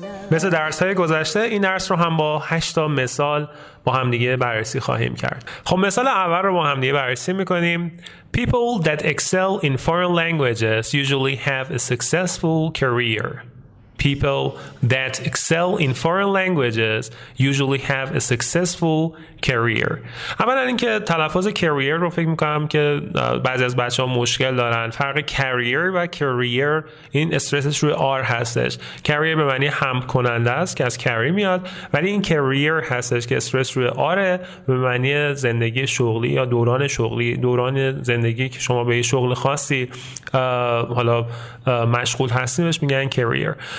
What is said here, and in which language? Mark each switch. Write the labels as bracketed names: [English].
[Persian] مثل درس های گذشته این درس رو هم با 8 تا مثال با هم دیگه بررسی خواهیم کرد. خب مثال اول رو با هم دیگه بررسی میکنیم. [English] People that excel in foreign languages usually have a successful career. People that excel in foreign languages usually have a successful career. [Persian] اولا اینکه تلفظ career رو فکر میکنم که بعضی از بچه ها مشکل دارن. فرق career و career، این استرسش روی R هستش. Career به معنی هم کننده است که از carry میاد، ولی این career هستش که استرس روی R به معنی زندگی شغلی یا دوران شغلی، دوران زندگی که شما به یه شغل خاصی حالا مشغول هستیم بهش میگن career.